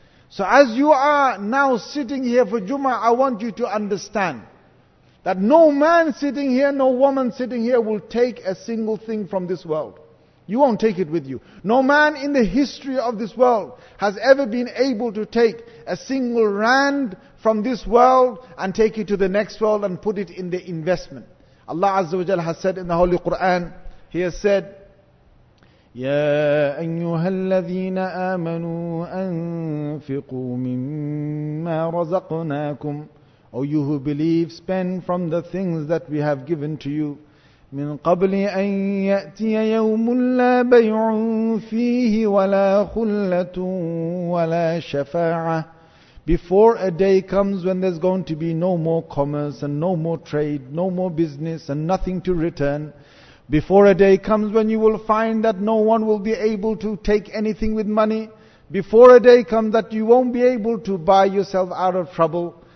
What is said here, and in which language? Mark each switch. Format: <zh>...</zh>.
<en>So as you are now sitting here for Jummah, I want you to understand that no man sitting here, no woman sitting here will take a single thing from this world. You won't take it with you. No man in the history of this world has ever been able to take a single rand from this world and take it to the next world and put it in the investment. Allah Azza wa Jalla has said in the Holy Quran, He has said,</en> <ar>يا أيها الذين آمنوا أنفقوا مما رزقناكم.</ar> <en>O you who believe, spend from the things that we have given to you.</en> <ar>من قبل أن يأتي يوم لا بيع فيه ولا خلة ولا شفاعة.</ar> <en>before a day comes when there's going to be no more commerce and no more trade, no more business and nothing to return. Before a day comes when you will find that no one will be able to take anything with money. Before a day comes that you won't be able to buy yourself out of trouble.</en>